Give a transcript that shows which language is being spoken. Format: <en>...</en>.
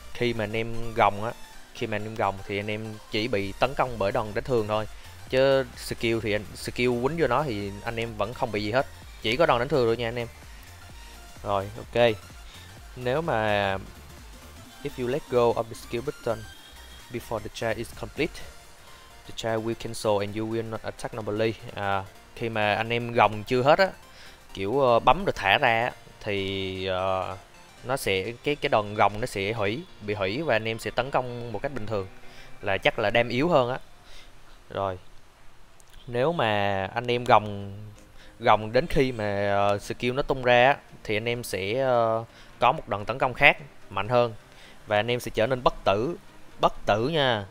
<vi>Khi mà anh em gồng á, khi mà anh em gồng thì anh em chỉ bị tấn công bởi đòn đánh thường thôi, chứ skill quýnh vô nó thì anh em vẫn không bị gì hết, chỉ có đòn đánh thường thôi nha anh em. Rồi, ok, nếu mà</vi> <en>if you let go of the skill button before the charge is complete, the charge will cancel and you will not attack normally.</en> <vi>À, khi mà anh em gồng chưa hết á, kiểu bấm rồi thả ra thì nó sẽ cái đòn gồng nó sẽ bị hủy và anh em sẽ tấn công một cách bình thường, là chắc là đem yếu hơn á. Rồi, nếu mà anh em gồng đến khi mà skill nó tung ra á, thì anh em sẽ có một đòn tấn công khác mạnh hơn và anh em sẽ trở nên bất tử nha.</vi>